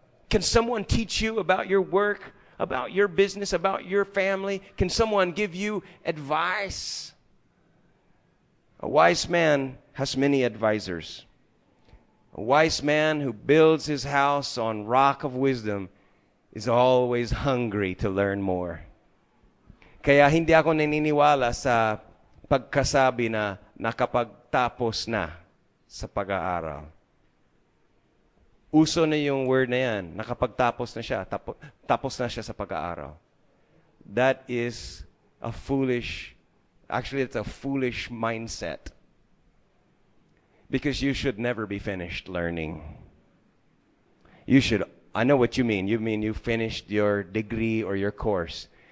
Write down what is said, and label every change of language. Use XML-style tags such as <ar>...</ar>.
<en>Can someone teach you about your work, about your business, about your family? Can someone give you advice? A wise man has many advisors. A wise man who builds his house on rock of wisdom is always hungry to learn more.</en> <tl>Kaya hindi ako naniniwala sa pagkasabi na nakapagtapos na sa pag-aaral. Uso na yung word na yan, nakapagtapos na siya, tapos na siya sa pag-aaral.</tl> <en>That is a foolish, actually it's a foolish mindset. Because you should never be finished learning. You should, I know what you mean. You mean you finished your degree or your course.</en>